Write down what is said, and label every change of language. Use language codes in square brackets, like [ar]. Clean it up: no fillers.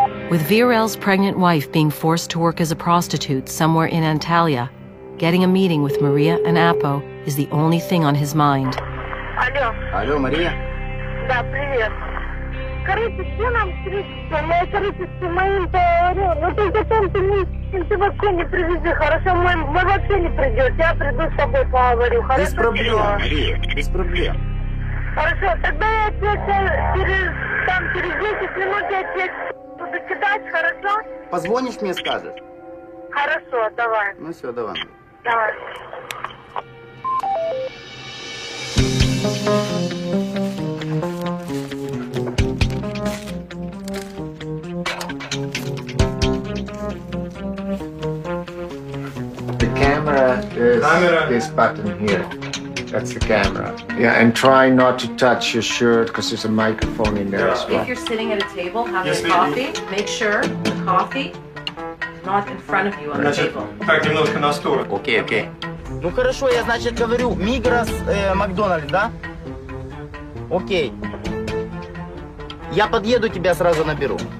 [en] With VRL's pregnant wife being forced to work as a prostitute somewhere in Antalya, getting a meeting with Maria and Apo is the only thing on his mind. I [ru] Алло. Алло, Мария? Да, привет. Короче, все нам встретимся. Я, короче, с моим поварем. Ну, только там ты, ты вообще не привези, хорошо? Мы вообще не придет. Я приду с тобой поварю. Хорошо? Без проблем, Мария, без проблем. Хорошо, тогда я тебе через, там, через 10 минут я тебе буду кидать, хорошо? Позвонишь мне, скажешь? Хорошо, давай. Ну все, давай. Давай. [en] The camera is this button here. That's the camera. Yeah, and try not to touch your shirt because there's a microphone in there as well. If you're sitting at a table having coffee, make sure the coffee not in front of you on the table. [ru] Так, немножко на сторону. Окей, окей. Ну хорошо, я, значит, говорю, Мигрос, Макдональд, да? Окей. Я подъеду, тебя сразу наберу.